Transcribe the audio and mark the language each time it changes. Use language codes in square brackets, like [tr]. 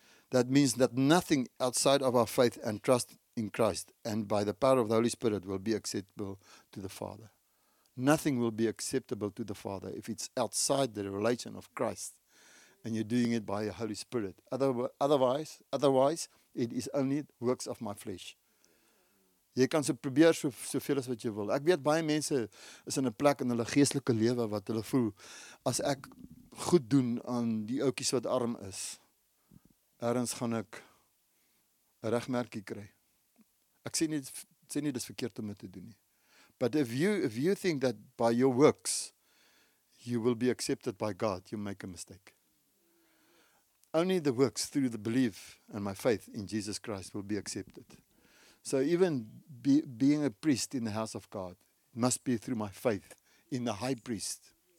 [en] That means that nothing outside of our faith and trust in Christ and by the power of the Holy Spirit will be acceptable to the Father. Nothing will be acceptable to the Father if it's outside the revelation of Christ and you're doing it by the Holy Spirit. Otherwise, it is only works of my flesh. [af] Jy kan so probeer soveel as wat jy wil. Ek weet baie mense is in 'n plek in hulle geestelike lewe wat hulle voel as ek goed doen aan die ouetjies wat arm is, ergens gaan ek 'n regmerkie kry. Ek sê nie dis verkeerd om dit te doen nie. [en] But if you think that by your works you will be accepted by God, you make a mistake. Only the works through the belief and my faith in Jesus Christ will be accepted. So even being a priest in the house of God must be through my faith in the high priest.